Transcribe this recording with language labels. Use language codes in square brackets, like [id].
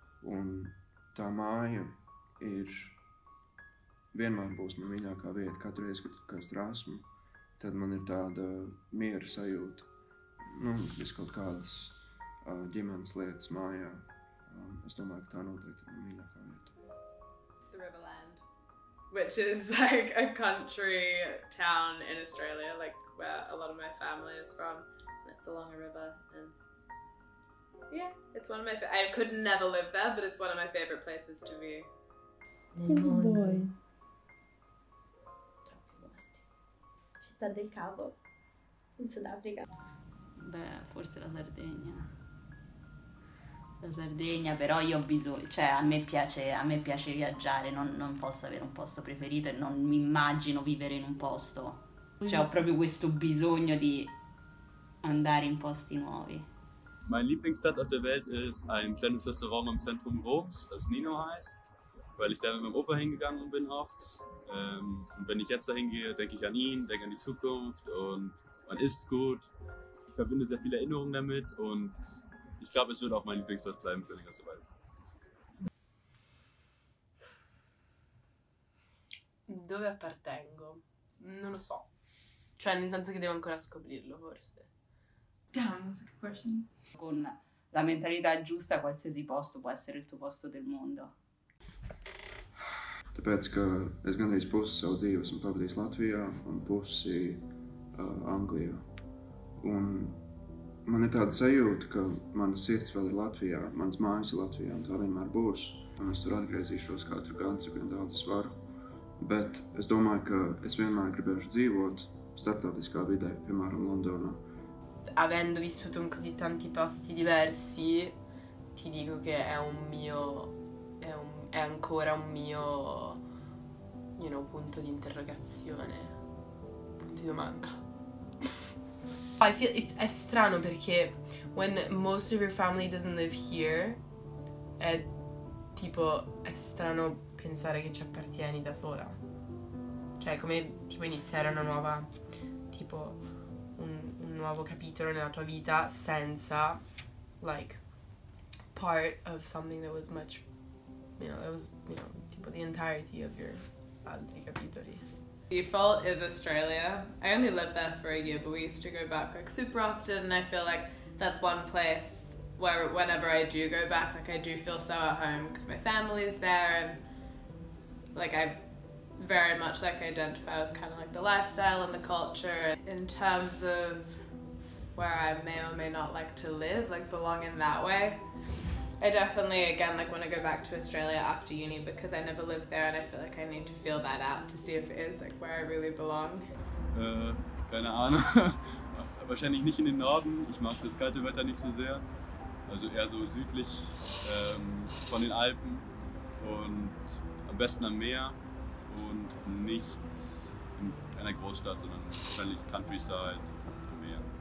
[lv] Un tā māja ir vienmēr būs man mīļākā vieta. Katru reizi, kad es tur esmu, tad man ir tāda miera sajūta. Nu, viss kaut kādas ģimenes lietas mājā. Es domāju, ka tā noteikti ir mīļākā vieta. [en] The Riverland, which is like a country town in Australia, like where a lot of my family is from. It's along a river and yeah, it's one of my I could never live there, but it's one of my favorite places to be. Boy. [it] Città del Capo in Sudafrica. Beh, forse la Sardegna. La Sardegna, però io ho bisogno, cioè a me piace viaggiare, non posso avere un posto preferito e non mi immagino vivere in un posto. Cioè ho proprio questo bisogno di andare in posti nuovi. [de] Mein Lieblingsplatz auf der Welt ist ein kleines Restaurant im Zentrum Roms, das Nino heißt, weil ich da mit meinem Opa hingegangen bin oft. Und wenn ich jetzt dahin gehe, denke ich an ihn, denke an die Zukunft und man isst gut. Ich verbinde sehr viele Erinnerungen damit und ich glaube, es wird auch mein Lieblingsplatz bleiben für die ganze Weile. [it] Dove appartengo? Non lo so. Cioè, nel senso che devo ancora scoprirlo, forse. [en] Damn, that's a good question. [it] Con la mentalità giusta, qualsiasi posto può essere il tuo posto del mondo. [lv] Tāpēc, ka es gandrīz pusi savu dzīvi esmu pavadījis Latvijā un pusi Anglijā. Un man ir tāda sajūta, ka mana sirds vēl ir Latvijā, manas mājas ir Latvijā, un tā vienmēr būs. Un es tur atgriezīšos katru gadu, cik vien daudz es varu. Bet es domāju, ka es vienmēr gribēšu dzīvot starptautiskā vidē, piemēram, Londonā. [it] Avendo vissuto in così tanti posti diversi, ti dico che è ancora un mio, [en] you know, [it] punto di interrogazione, punto di domanda. [en] I feel [it] è strano perché [en] when most of your family doesn't live here, [it] è tipo, è strano pensare che ci appartieni da sola. Cioè, come tipo iniziare una nuova, tipo, un nuovo capitolo nella tua vita senza, [en] like, part of something that was much, you know, [it] that was, you know, tipo [en] the entirety of your [it] altri capitoli. [en] Default is Australia. I only lived there for a year, but we used to go back like super often, and I feel like that's one place where whenever I do go back, like I do feel so at home because my family is there, and like I very much like identify with kind of like the lifestyle and the culture. In terms of where I may or may not like to live, like belong in that way, I definitely, again, like want to go back to Australia after uni because I never lived there and I feel like I need to feel that out to see if it is like where I really belong. [de] Keine Ahnung. Wahrscheinlich nicht in den Norden. Ich mag das kalte Wetter nicht so sehr. Also eher so südlich von den Alpen und am besten am Meer und nicht in einer Großstadt, sondern wahrscheinlich Countryside, am Meer.